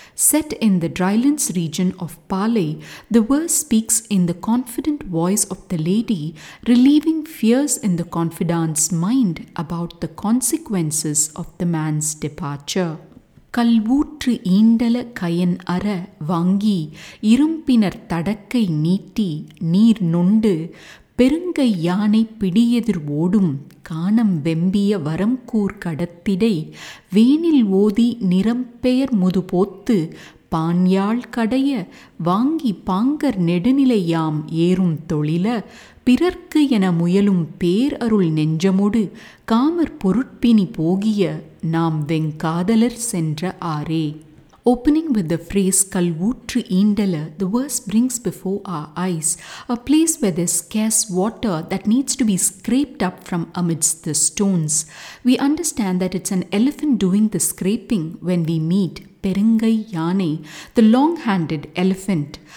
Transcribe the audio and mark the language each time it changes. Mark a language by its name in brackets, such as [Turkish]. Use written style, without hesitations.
[English] Set in the drylands region of Paalai, the verse speaks in the confident voice of the lady, relieving fears in the confidante's mind about the consequences of the man's departure. [Tamil] கல்வூற்று ஈண்டல Gayan அற வாங்கி இரும்பினர் தடக்கை நீட்டி நீர் நொண்டு பெருங்கை யானை பிடியெதிர் ஓடும் காணம் வெம்பிய வரம்கூர் கடத்திடை வேனில் ஓதி நிறம்பெயர் முதுபோத்து பான்யாள் கடைய வாங்கி பாங்கர் நெடுநிலையாம் ஏறும் தொழில பிறர்க்கு என முயலும் பேர் அருள் நெஞ்சமொடு காமர் பொருட்பினி போகிய நாம் வெங்காதலர் சென்ற ஆரே. [English] Opening with the phrase Kalvootru Eendala, the verse brings before our eyes a place where there's scarce water that needs to be scraped up from amidst the stones. We understand that it's an elephant doing the scraping when we meet Perungai Yane, the long-handed elephant.